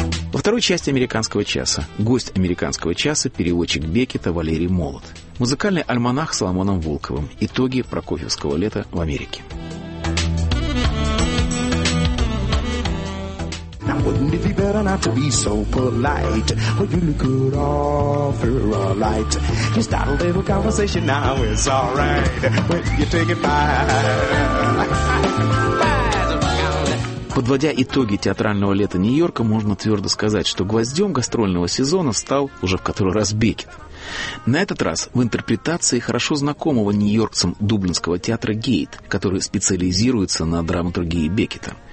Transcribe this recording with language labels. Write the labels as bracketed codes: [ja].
[ru] Во второй части «Американского часа» гость «Американского часа» переводчик Беккета Валерий Молот. Музыкальный альманах с Соломоном Волковым. Итоги прокофьевского лета в Америке. [en] Wouldn't it be better not to be so polite? Well, you could offer a light. You start a little conversation, now it's all right. When you take it by. [ru] Подводя итоги театрального лета Нью-Йорка, можно твердо сказать, что гвоздем гастрольного сезона стал уже в который раз Беккет. На этот раз в интерпретации хорошо знакомого нью-йоркцам дублинского театра «Гейт», который специализируется на драматургии Беккета.